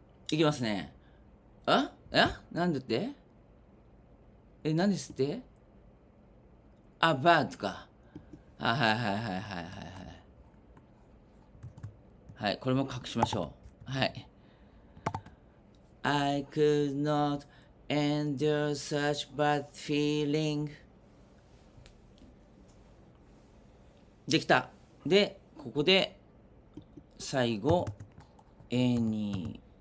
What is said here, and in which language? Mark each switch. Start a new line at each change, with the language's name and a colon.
Japanese: いきますね。あ？え？なんでって？え、なんですって？あ、バッドか。あ、はいはいはいはいはいはい。はい、これも隠しましょう。はい。
English: I could not endure such bad feeling.
Japanese: できた。で、ここで最後、anyway。